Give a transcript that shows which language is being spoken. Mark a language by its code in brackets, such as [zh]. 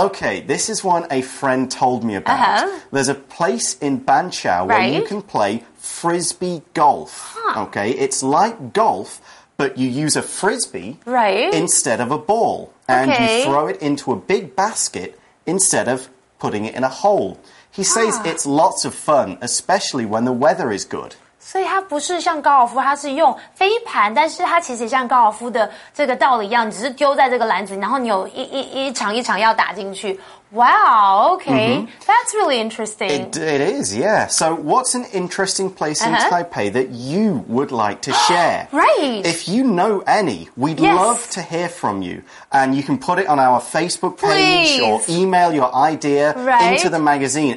[en] Okay, this is one a friend told me about. There's a place in Banqiao where you can play frisbee golf. Okay, it's like golf, but you use a frisbee instead of a ball. And you throw it into a big basket instead of putting it in a hole. He says it's lots of fun, especially when the weather is good. [zh] 所以它不是像高尔夫，它是用飞盘，但是它其实像高尔夫的这个道理一样，只是丢在这个篮子，然后你有一场要打进去。 [en] Wow, okay, that's really interesting. It is, yeah. So what's an interesting place in Taipei that you would like to share? Right. If you know any, we'd love to hear from you. And you can put it on our Facebook page or email your idea into the magazine.